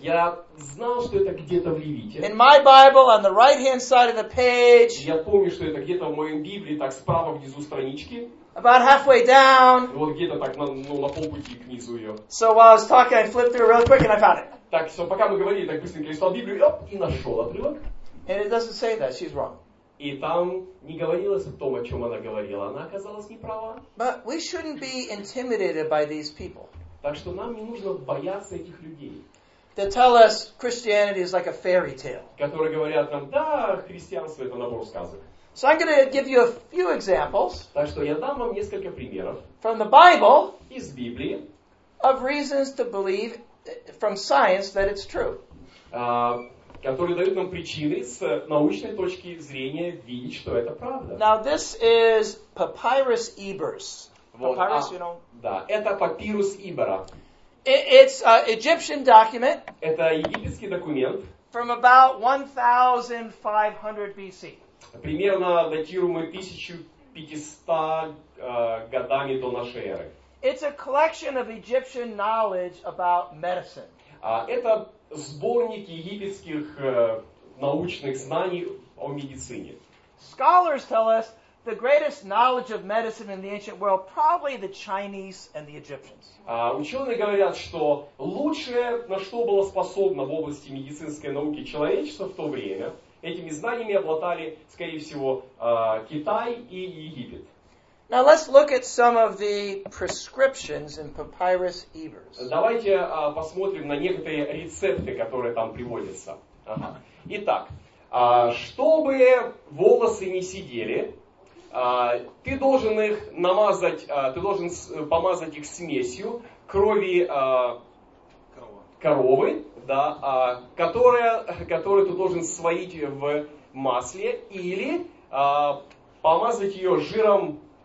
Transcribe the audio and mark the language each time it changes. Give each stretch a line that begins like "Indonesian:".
Russian: Я знал, что это где-то в Левите.
English: In my Bible, on the right-hand side of the page.
Russian: Я помню, что это где-то в моей Библии, так справа внизу странички.
English: About halfway down.
Russian: Вот где-то так, ну, на полпути к низу ее.
English: So while I was talking, I flipped through real quick and I found it.
Russian: Так, все, пока мы говорили, так быстренько листал Библию, оп, и нашел отрывок.
English: And it doesn't say that, she's wrong.
Russian: И там не говорилось о том, о чем она говорила, она оказалась неправа.
English: But we shouldn't be intimidated by these people.
Russian: Так что нам не нужно бояться этих людей.
English: They tell us Christianity is like a fairy tale.
Russian: Которые говорят нам, да, христианство это набор сказок.
English: So I'm going to give you a few examples.
Russian: Так что я дам вам несколько примеров.
English: From the Bible.
Russian: Из Библии.
English: Of reasons to believe from science that it's true.
Russian: Которые дают нам причины с научной точки зрения видеть, что это правда.
English: Now this is Papyrus Ebers.
Russian: Вот,
English: Papyrus,
Russian: а,
English: you know.
Russian: Да, это папирус Ибера.
English: It's an Egyptian document.
Russian: Это египетский документ.
English: From about 1500 BC.
Russian: Примерно датируемый 1500 годами до нашей эры.
English: It's a collection of Egyptian knowledge about medicine.
Russian: Это сборник египетских научных знаний о медицине.
English: Scholars tell us the greatest knowledge of medicine in the ancient world probably the Chinese and the Egyptians.
Russian: Ученые говорят, что лучшее, на что было способно в области медицинской науки человечество в то время, этими знаниями обладали, скорее всего, Китай и Египет.
English: Now let's look at some of the prescriptions in Papyrus Ebers.
Russian: Давайте посмотрим на некоторые рецепты, которые там приводятся. Ага. Итак, чтобы волосы не сидели, ты должен их намазать, ты должен помазать их смесью крови коровы, да, которую ты должен сварить в масле или помазать ее жиром.